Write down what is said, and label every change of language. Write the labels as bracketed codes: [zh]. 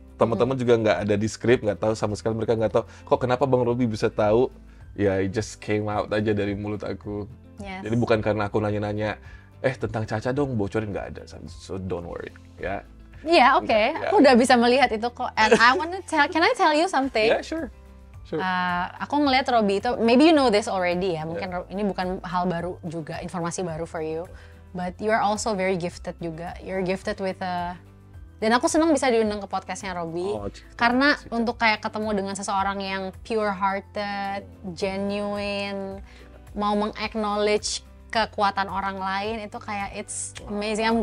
[id] Teman-teman juga nggak ada di skrip, nggak tahu sama sekali, mereka nggak tahu kok kenapa Bang Robi bisa tahu. Ya, [en] it just came out [id] aja dari mulut aku. [en] Yes. [id] Jadi bukan karena aku nanya-nanya, tentang Caca dong, bocorin, nggak ada. [en] So don't worry, ya. Yeah, okay. Yeah. [id] Aku udah bisa melihat itu kok. [en] And I wanna tell, can I tell you something? Yeah, sure. [id] Aku ngeliat Robi itu, [en] maybe you know this already [id] ya, mungkin ini bukan hal baru juga, informasi baru [en] for you. But you are also very gifted [id] juga. [en] You're gifted with a... [id] Dan aku senang bisa diundang ke podcastnya Robi, karena untuk kayak ketemu dengan seseorang yang pure-hearted, genuine, mau meng-acknowledge kekuatan orang lain, itu kayak [en] it's amazing.